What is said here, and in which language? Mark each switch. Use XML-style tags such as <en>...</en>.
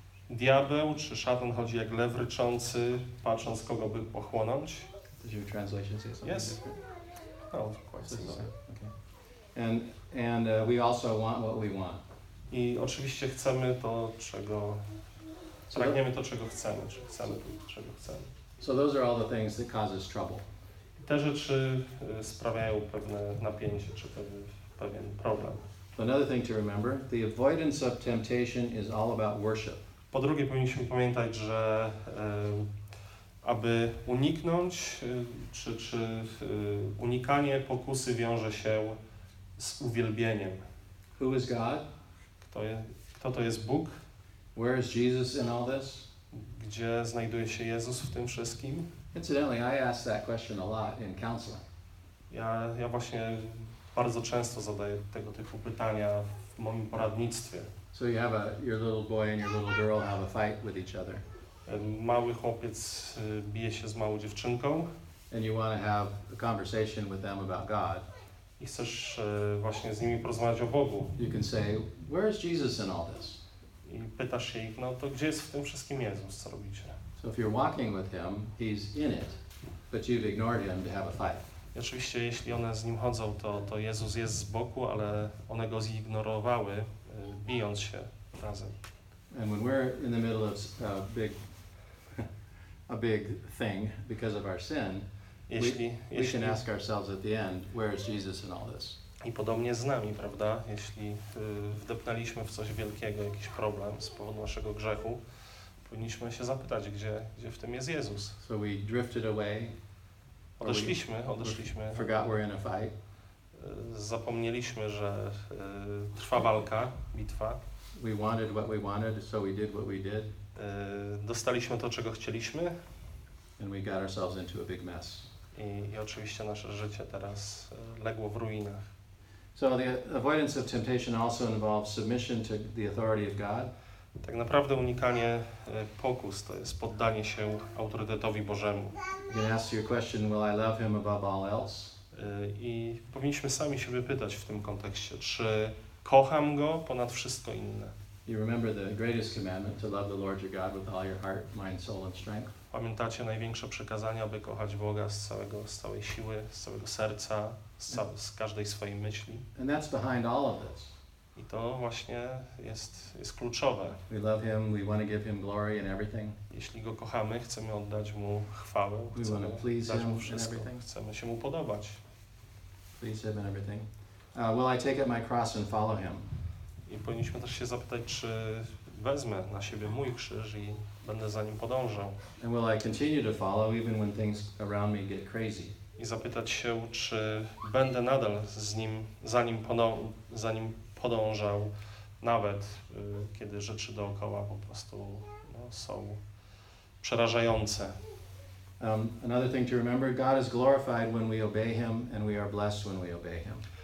<pl>Diabeł czy szatan chodzi jak lew ryczący, patrząc kogo by pochłonąć.</pl> <en>Did your translation say something? Yes. Different? No, quite similar. Okay. And we also want what we want.</en> <pl>I oczywiście chcemy to, czego pragniemy, to czego chcemy, czy chcemy to, czego chcemy.</pl> <en>So those are all the things that causes trouble.</en> <pl>I te rzeczy sprawiają pewne napięcie, czy pewien problem.</pl> <en>But another thing to remember, the avoidance of temptation is all about worship.</en> <pl>Po drugie, powinniśmy pamiętać, że aby uniknąć, czy unikanie pokusy wiąże się z uwielbieniem.</pl> <en>Who is God?</en> <pl>Kto to jest Bóg?</pl> <en>Where is Jesus in all this?</en> <pl>gdzie znajduje się Jezus w tym wszystkim?</pl> <en>Incidentally, I ask that question a lot in counseling.</en> <pl>Ja właśnie bardzo często zadaję tego typu pytania w moim poradnictwie.</pl> <en>So you have your little boy and your little girl have a fight with each other.</en> <pl>Mały chłopiec bije się z małą dziewczynką.</pl> <en>And you want to have a conversation with them about God.</en> <pl>I chcesz właśnie z nimi porozmawiać o Bogu.</pl> <en>You can say, where is Jesus in all this?</en> <pl>I pytasz się ich, no to gdzie jest w tym wszystkim Jezus, co robicie?</pl> <en>So if you're walking with him, he's in it, but you've ignored him to have a fight.</en> <pl>Oczywiście, jeśli one z nim chodzą, to Jezus jest z boku, ale one go zignorowały, bijąc się razem.</pl> <en>And when we're in the middle of a big thing because of our sin, we can ask ourselves at the end, where is Jesus in all this?</en> <pl>I podobnie z nami, prawda? Jeśli wdepnęliśmy w coś wielkiego, jakiś problem z powodu naszego grzechu, powinniśmy się zapytać, gdzie w tym jest Jezus.</pl> <en>So we drifted away.</en> <pl>Odeszliśmy.</pl> <en>Forgot we're in a fight.</en> <pl>Zapomnieliśmy, że trwa walka, bitwa.</pl> <en>We wanted what we wanted, so we did what we did.</en> <pl>Dostaliśmy to, czego chcieliśmy.</pl> <en>And we got ourselves into a big mess.</en> <pl>I oczywiście nasze życie teraz legło w ruinach.</pl> <en>So the avoidance of temptation also involves submission to the authority of God.</en> <pl>Tak naprawdę unikanie pokus to jest poddanie się autorytetowi Bożemu.</pl> <en>You can ask your question, will I love him above all else?</en> <pl>I powinniśmy sami siebie pytać w tym kontekście, czy kocham go ponad wszystko inne.</pl> <en>You remember the greatest commandment to love the Lord your God with all your heart, mind, soul and strength?</en> <pl>Pamiętacie największe przekazanie, aby kochać Boga z całej siły, z całego serca, z każdej swojej myśli.</pl> <en>And that's behind all of this.</en> <pl>I to właśnie jest kluczowe.</pl> <en>We love him, we want to give him glory and everything.</en> <pl>Jeśli go kochamy, chcemy oddać mu chwałę, chcemy dać mu wszystko, chcemy się mu podobać.</pl> <en>Please him and everything. Will I take up my cross and follow him?</en> <pl>I powinniśmy też się zapytać, czy wezmę na siebie mój krzyż i będę za nim podążał.</pl> <en>And will I continue to follow even when things around me get crazy?</en> <pl>I zapytać się, czy będę nadal z nim, za nim podążał, nawet kiedy rzeczy dookoła po prostu są przerażające.</pl> <en>Another thing to remember, God is glorified when we obey him and we are blessed when we obey him.</en>